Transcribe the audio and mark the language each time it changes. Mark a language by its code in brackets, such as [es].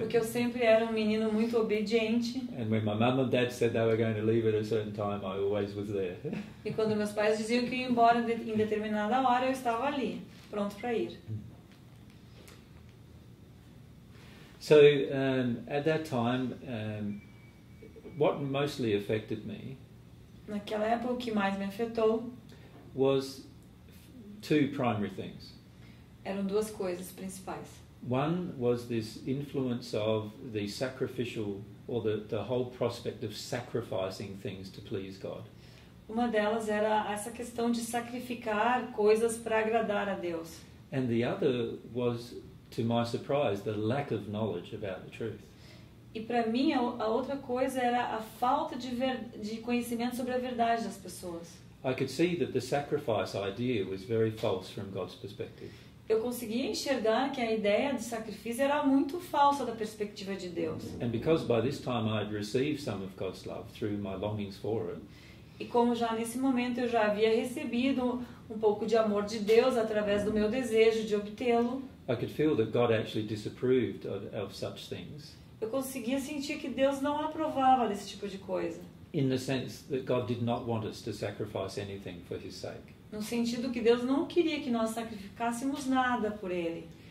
[pt] Porque eu sempre era um menino muito obediente. [en] And when my mom and dad said they were going to leave at a certain time, I always was there. [pt] E quando meus pais diziam que iam embora em determinada hora, eu estava ali, pronto para ir. [en] So at that time, what mostly affected me, [pt] naquela época, o que mais me afetou, [en] was two primary things. [pt] Eram duas coisas principais. [en] One was this influence of the sacrificial, or the whole prospect of sacrificing things to please God. [pt] Uma delas era essa questão de sacrificar coisas para agradar a Deus. [en] And the other was, to my surprise, the lack of knowledge about the truth. [pt] E para mim a outra coisa era a falta de conhecimento sobre a verdade das pessoas. [en] I could see that the sacrifice idea was very false from God's perspective. [pt] Eu conseguia enxergar que a ideia de sacrifício era muito falsa da perspectiva de Deus. [en] And because by this time I had received some of God's love through my longings for it. [pt] E como já nesse momento eu já havia recebido um pouco de amor de Deus através do meu desejo de obtê-lo. [en] I could feel that God actually disapproved of such things. [pt] Eu conseguia sentir que Deus não aprovava desse tipo de coisa. [en] In the sense that God did not want us to sacrifice anything for His sake. [pt] No sentido que Deus não queria que nós sacrificássemos nada por Ele.